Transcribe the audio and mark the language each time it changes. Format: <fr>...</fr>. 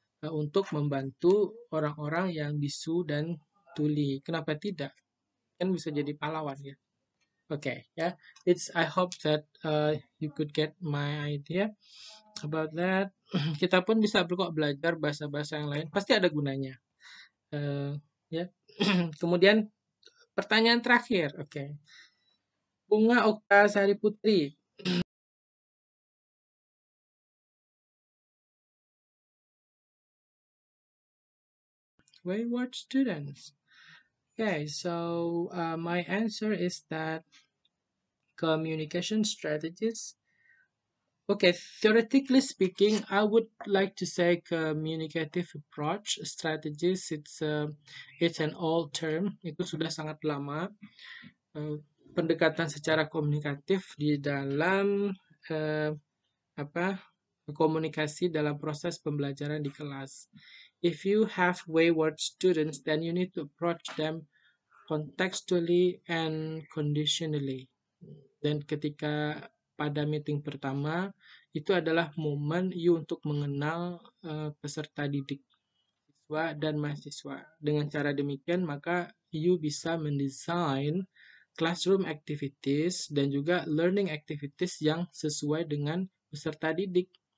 <id>untuk membantu orang-orang yang bisu dan tuli. Kenapa tidak? Kan bisa jadi pahlawan ya.</id> <en>Okay, yeah. It's I hope that you could get my idea about that.</en> <id>Kita pun bisa kok belajar bahasa-bahasa yang lain. Pasti ada gunanya. Yeah. Kemudian pertanyaan terakhir. Okay. Bunga Okta Sari Putri.</id> <en>Wayward students. Okay, so my answer is that communication strategies. Okay, theoretically speaking, I would like to say communicative approach strategies. It's an old term.</en> <id>Itu sudah sangat lama. Pendekatan secara komunikatif di dalam komunikasi dalam proses pembelajaran di kelas.</id> <en>If you have wayward students, then you need to approach them contextually and conditionally.</en> <id>Dan ketika pada meeting pertama, itu adalah momen you untuk mengenal peserta didik, siswa dan mahasiswa. Dengan cara demikian, maka you bisa mendesain classroom activities dan juga learning activities yang sesuai dengan peserta didik.</id>